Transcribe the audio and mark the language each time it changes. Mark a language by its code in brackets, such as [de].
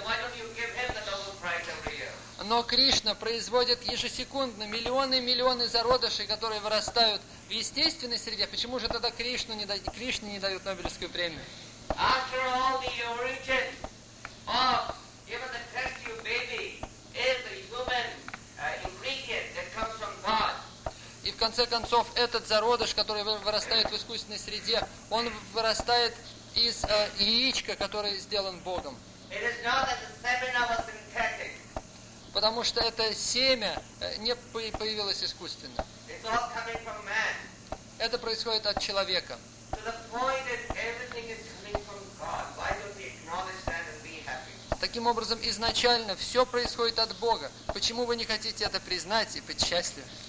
[en] Why don't you give him the Nobel Prize every year? [ru] Но Кришна производит ежесекундно миллионы и миллионы зародышей, которые вырастают в естественной среде. Почему же тогда Кришне не дают Нобелевскую премию? [en] After all, the origin of even the test tube baby is the human ingredient that comes from God. [ru] И в конце концов, этот зародыш, который вырастает в искусственной среде, он вырастает из яичка, который сделан Богом. [en] It is not that the semina was synthetic. [ru] Потому что это семя не появилось искусственно. [en] It's all coming from man. [ru] Это происходит от человека. [en] So the point is, everything is coming from God. Why don't we acknowledge that and be happy? [ru] Таким образом, изначально все происходит от Бога. Почему вы не хотите это признать и быть счастливы?